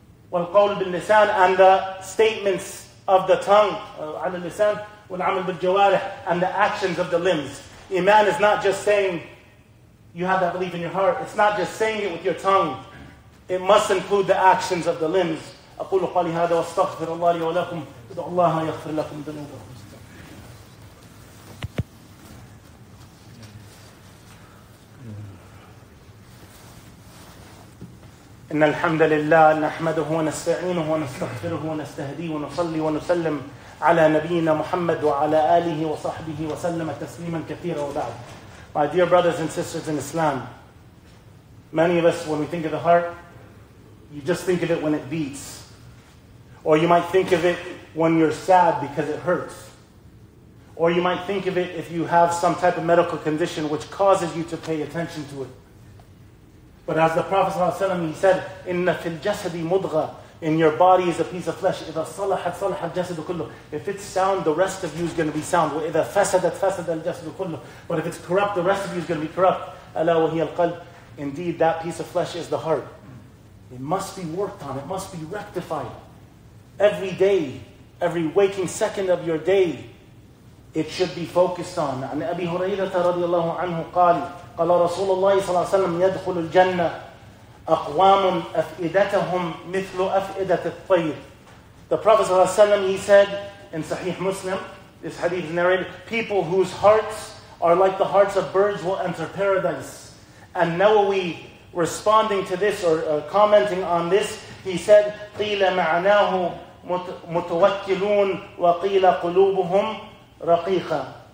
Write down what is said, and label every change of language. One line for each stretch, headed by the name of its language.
Arabic: Wal-qawl bil-lisan,
English: and the statements of the tongue,
Arabic: al-lisan, wal-amal bil-jawarih,
English: and the actions of the limbs. Iman is not just saying you have that belief in your heart. It's not just saying it with your tongue. It must include the actions of the limbs.
Arabic: أقول قولي هذا واستغفر الله لي ولكم ادعو الله يغفر لكم ذنوبكم. إن الحمد لله نحمده ونستعينه ونستغفره ونستهديه ونصلي ونسلم على نبينا محمد وعلى آله وصحبه وسلم تسليما كثيرا وبعد.
English: My dear brothers and sisters in Islam, many of us, when we think of the heart, you just think of it when it beats. Or you might think of it when you're sad because it hurts. Or you might think of it if you have some type of medical condition which causes you to pay attention to it. But as the Prophet ﷺ, he said,
Arabic: إِنَّ فِي الْجَسَدِ مُضْغَةٌ
English: in your body is a piece of flesh.
Arabic: إذا صلحت صلح الجسد كله.
English: If it's sound, the rest of you is going to be sound.
Arabic: وإذا فسدت فسد الجسد كله.
English: But if it's corrupt, the rest of you is going to be corrupt.
Arabic: ألا وهي القلب.
English: Indeed, that piece of flesh is the heart. It must be worked on. It must be rectified. Every day, every waking second of your day, it should be focused on.
Arabic: عن أبي هريرة رضي الله عنه قال قال رسول الله صلى الله عليه وسلم يدخل الجنة أقوام أفئدتهم مثل أفئدة الطير.
English: The Prophet
Arabic: صلى الله عليه وسلم,
English: he said in Sahih Muslim, this hadith is narrated, people whose hearts are like the hearts of birds will enter paradise. And Nawawi, responding to this or commenting on this, he said,
Arabic: قيل معناه متوكلون وقيل قلوبهم رقيقة.